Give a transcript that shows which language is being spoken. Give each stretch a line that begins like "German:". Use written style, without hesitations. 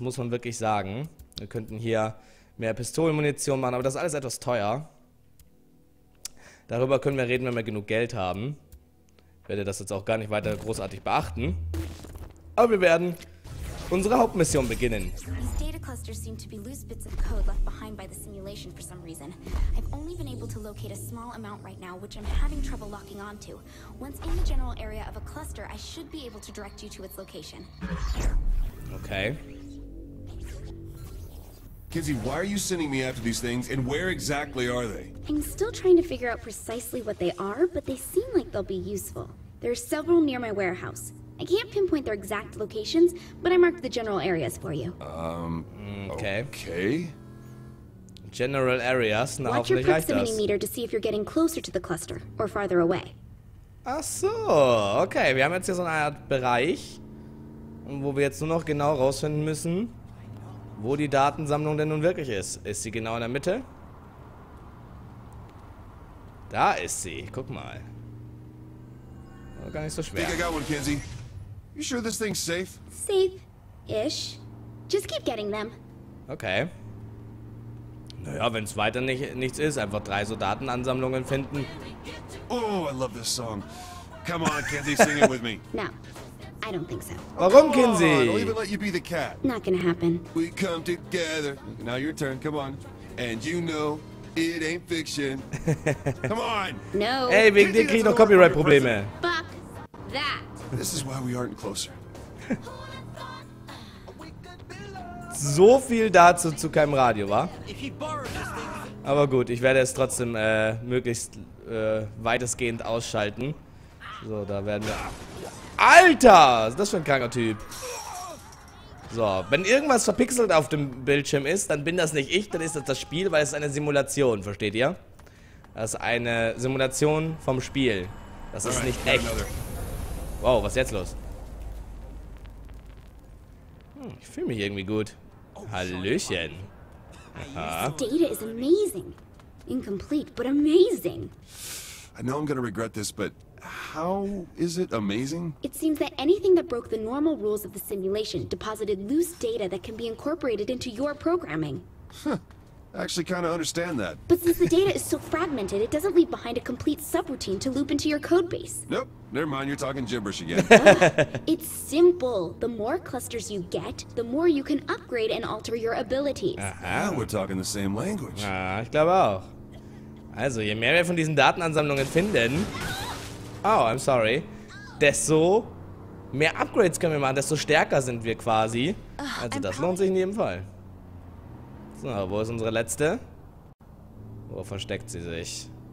German: Muss man wirklich sagen. Wir könnten hier mehr Pistolenmunition machen. Aber das ist alles etwas teuer. Darüber können wir reden, wenn wir genug Geld haben. Ich werde das jetzt auch gar nicht weiter großartig beachten. Aber wir werden unsere Hauptmission beginnen.
English: Clusters seem to be loose bits of code left behind by the simulation for some reason. I've only been able to locate a small amount right now, which I'm having trouble locking onto. Once in the general area of a cluster, I should be able to direct you to its location. Okay. Kizzy, why are you sending me after these things, and where exactly are they? I'm still trying to figure out precisely what they are, but they seem like they'll be useful. There are several near my warehouse. I can't pinpoint their exact locations, but I marked the general areas for you. Okay. General areas. Watch your proximity meter to see if you're getting closer to the cluster or farther away.
German: Ach so, okay. Wir haben jetzt hier so eine Art Bereich, wo wir jetzt nur noch genau rausfinden müssen, wo die Datensammlung denn nun wirklich ist. Ist sie genau in der Mitte? Da ist sie. Guck mal. War gar nicht so schwer.
English: I think I got one, Kenzie. You sure this thing's safe? Safe-ish. Just keep getting them. Okay.
German: Naja, wenn es weiter nichts ist, einfach drei so Datenansammlungen finden.
English: Oh, I love this song. Come on, Kenzie, sing it with me. No, I don't think so.
German: Warum, Kenzie?
English: I'll even let you be the cat. Not gonna happen. We come together. Now your turn, come on. And you know it ain't fiction. Come on! No.
German: Hey, wegen dir krieg ich noch Copyright-Probleme.
English: Fuck that. This is why we aren't closer.
German: So viel dazu zu keinem Radio, wa? Aber gut, ich werde es trotzdem möglichst weitestgehend ausschalten. So, da werden wir... Alter! Das ist ein kranker Typ. So, wenn irgendwas verpixelt auf dem Bildschirm ist, dann bin das nicht ich, dann ist das das Spiel, weil es ist eine Simulation, versteht ihr? Das ist eine Simulation vom Spiel. Das ist nicht echt. Wow, was ist jetzt los? Ich fühle mich irgendwie gut. Hallöchen.
English: Aha. Data is amazing. Incomplete, but amazing. I know I'm gonna regret this, but how is it amazing? It seems that anything that broke the normal rules of the simulation deposited loose data that can be incorporated into your programming. Huh. I actually kind of understand that. But since the data is so fragmented, it doesn't leave behind a complete subroutine to loop into your code base. Nope. Never mind, you're talking gibberish again. It's simple. The more clusters you get, the more you can upgrade and alter your abilities. Aha, we're talking the same language.
German: Ah, ich glaube auch. Also, je mehr wir von diesen Datenansammlungen finden,
English: oh, I'm sorry,
German: desto mehr Upgrades können wir machen, desto stärker sind wir quasi. Also, das lohnt sich in jedem Fall. So, wo ist unsere letzte? Wo versteckt sie sich?